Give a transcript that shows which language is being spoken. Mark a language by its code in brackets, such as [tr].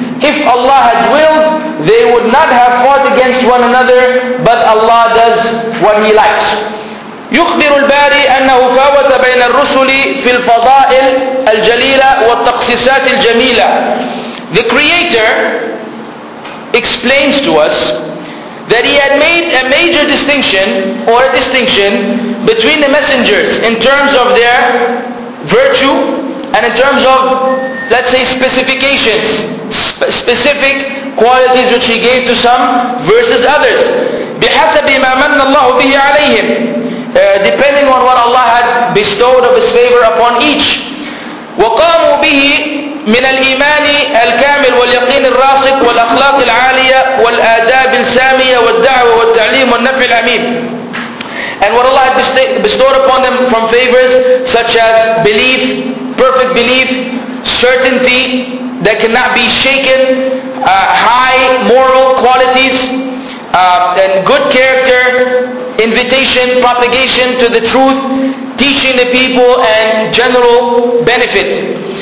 [en] If Allah had willed, they would not have fought against one another, but Allah does what He likes. [ar] يخبر الباري أنه فاوت بين الرسل في الفضائل الجليلة والتقصيصات الجميلة. [en] The Creator explains to us that He had made a major distinction or a distinction between the messengers in terms of their virtue and in terms of, let's say, specifications. Specific qualities which He gave to some versus others. [ar] بِحَسَبِ مَا مَنَّ اللَّهُ بِهِ عَلَيْهِمْ. [en] Depending on what Allah had bestowed of His favor upon each. [ar] وقاموا به من الإيمان الكامل واليقين الراسخ والأخلاق العالية والآداب السامية والدعوة والتعليم والنفع العميم. [en] And what Allah had bestowed upon them from favors such as belief, perfect belief, certainty that cannot be shaken, high moral qualities, and good character, invitation, propagation to the truth, teaching the people, and general benefit.